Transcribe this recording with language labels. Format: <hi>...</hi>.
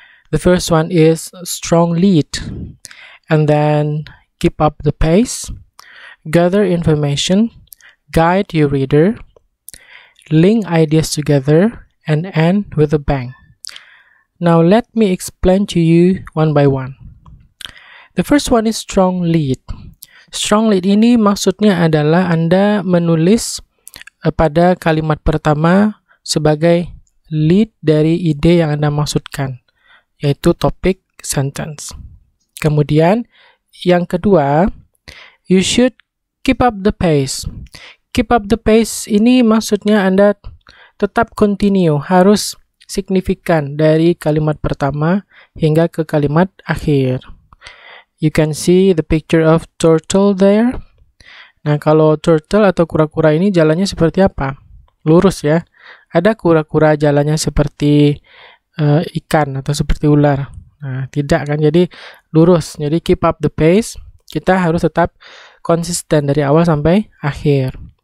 <en>The first one is strong lead, and then keep up the pace, gather information, guide your reader, link ideas together, and end with a bang. Now let me explain to you one by one. The first one is strong lead.</en> <id>Strong lead ini maksudnya adalah Anda menulis pada kalimat pertama sebagai lead dari ide yang Anda maksudkan, yaitu topic sentence. Kemudian, yang kedua,</id> <en>you should keep up the pace.</en> <id>Keep up the pace ini maksudnya Anda tetap continue, harus signifikan dari kalimat pertama hingga ke kalimat akhir.</id> <en>You can see the picture of turtle there.</en> <id>Nah, kalau turtle atau kura-kura ini jalannya seperti apa? Lurus ya. Ada kura-kura jalannya seperti ikan atau seperti ular. Nah, tidak kan? Jadi, lurus. Jadi, keep up the pace. Kita harus tetap konsisten dari awal sampai akhir.</id>